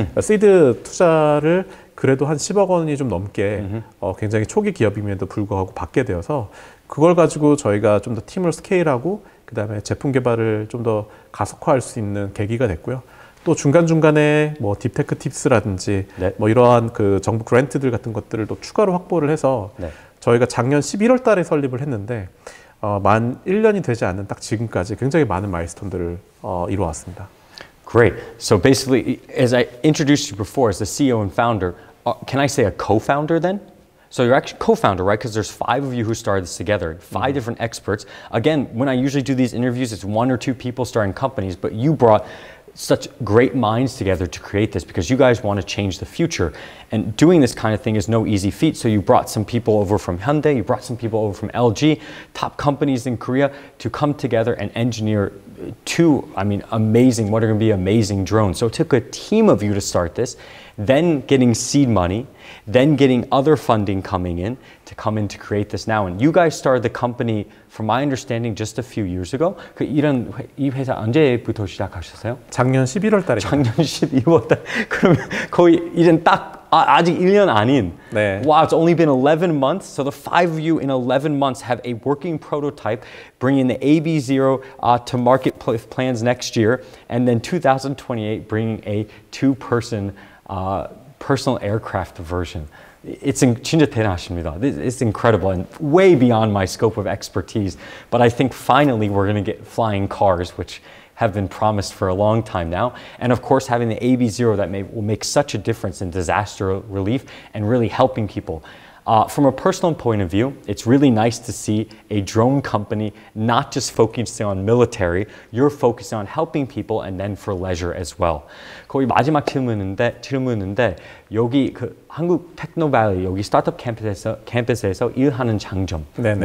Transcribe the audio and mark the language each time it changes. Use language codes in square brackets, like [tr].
[ko] 시드 투자를 그래도 한 10억 원이 좀 넘게 굉장히 초기 기업임에도 불구하고 받게 되어서 그걸 가지고 저희가 좀 더 팀을 스케일하고 그 다음에 제품 개발을 좀 더 가속화할 수 있는 계기가 됐고요. 또 중간중간에 뭐 딥테크 팁스라든지 네. 뭐 이러한 그 정부 그랜트들 같은 것들을 또 추가로 확보를 해서 네. 저희가 작년 11월 달에 설립을 했는데 만 1년이 되지 않은 딱 지금까지 굉장히 많은 마일스톤들을 이루어왔습니다. [en] Great. So basically, as I introduced you before as the CEO and founder, can I say a co-founder then? So you're actually co-founder, right? Because there's five of you who started this together, five different experts. Again, when I usually do these interviews, it's one or two people starting companies, but you brought such great minds together to create this because you guys want to change the future. And doing this kind of thing is no easy feat. So you brought some people over from Hyundai, you brought some people over from LG, top companies in Korea to come together and engineer two, I mean, amazing, what are going to be amazing drones. So it took a team of you to start this, then getting seed money, then getting other funding coming in to come in to create this now. And you guys started the company, from my understanding, just a few years ago. [ko] 그 이런 이 회사 언제부터 시작하셨어요? 작년 11월 달에. 작년 12월 달. 그러면 거의 이젠 딱 아직 1년 아닌. 네. [en] Wow, it's only been 11 months. So the five of you in 11 months have a working prototype, bringing the AB0 to market plans next year, and then 2028 bringing a two-person personal aircraft version. [ko] It's 진짜 대단하십니다. [en] It's incredible and way beyond my scope of expertise. But I think finally we're going to get flying cars, which have been promised for a long time now. And of course, having the AB0 that will make such a difference in disaster relief and really helping people. From a personal point of view, it's really nice to see a drone company not just focusing on military, you're focusing on helping people and then for leisure as well. [ko] 거의 마지막 질문인데 여기 그 한국 테크노밸리 여기 스타트업 캠퍼스에서 일하는 장점 네네.